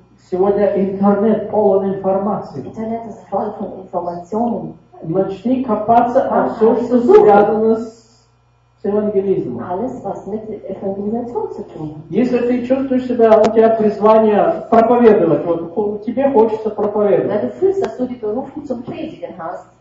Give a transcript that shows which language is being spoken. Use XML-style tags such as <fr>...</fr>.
<ru>Сегодня интернет полон информации. Интернет полон информации. Начни копаться во все, что связано с евангелизмом.</ru> <de>Alles, was mit Evangelisation zu tun.</de> <ru>Если ты чувствуешь себя, у тебя призвание проповедовать, вот тебе хочется проповедовать.</ru> <de>Wenn du fühlst, dass du die Berufung zum Predigen hast.</de>